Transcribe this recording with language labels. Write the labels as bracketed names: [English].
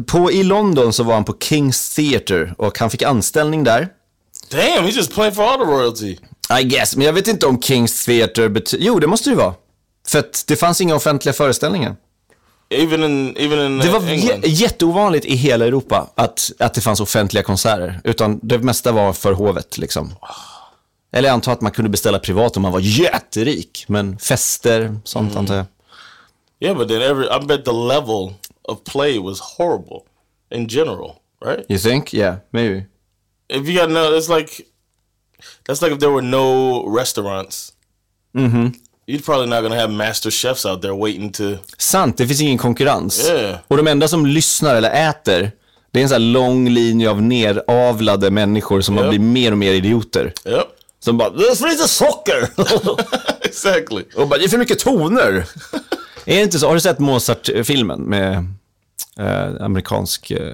[Swedish] I London så var han på King's Theatre och han fick anställning där. [English] Damn, he just played for all the royalty. I guess, [Swedish] men jag vet inte om King's Theatre jo, det måste det vara. För att det fanns inga offentliga föreställningar. [English] Even in [Swedish] det var jätteovanligt i hela Europa att det fanns offentliga konserter, utan det mesta var för hovet liksom. Eller jag antar att man kunde beställa privat om man var jätterik, men fester sånt antar jag. [English] Yeah, but then I bet the level of play was horrible in general, right? You think? Yeah, maybe. If you got no, it's like that's like if there were no restaurants. Mm-hmm. You're probably not gonna have master chefs out there waiting to... [Swedish] Sant, det finns ingen konkurrens. [English] Yeah. [Swedish] Och de enda som lyssnar eller äter, det är en sån här lång linje av neravlade människor som har blivit mer och mer idioter. [English] Yep. [Swedish] Som bara, det är för lite socker! [English] Exactly. [Swedish] Och bara, det är för mycket toner! Är det inte så? Har du sett Mozart-filmen med amerikansk...